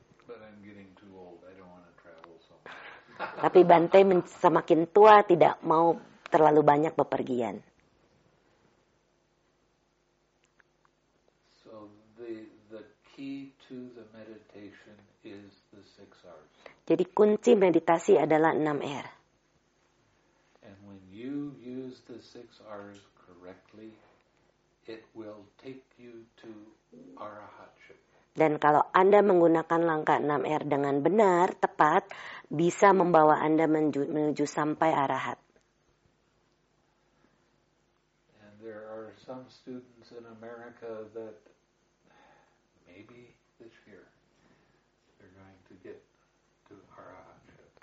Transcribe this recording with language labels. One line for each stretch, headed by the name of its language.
English: But I'm getting too old. I don't want to travel so much.
Indonesian: Tapi Bante semakin tua tidak mau terlalu banyak bepergian.
English: So the key to the meditation is the 6 R's.
Indonesian: Jadi kunci meditasi adalah 6 R.
English: And when you use the 6 R's correctly, it will take you to arahatship.
Indonesian: Dan kalau Anda menggunakan langkah 6 R dengan benar, tepat, bisa membawa Anda menuju sampai arahat.
English: And there are some students in America that maybe this year they're going to get to arahatship.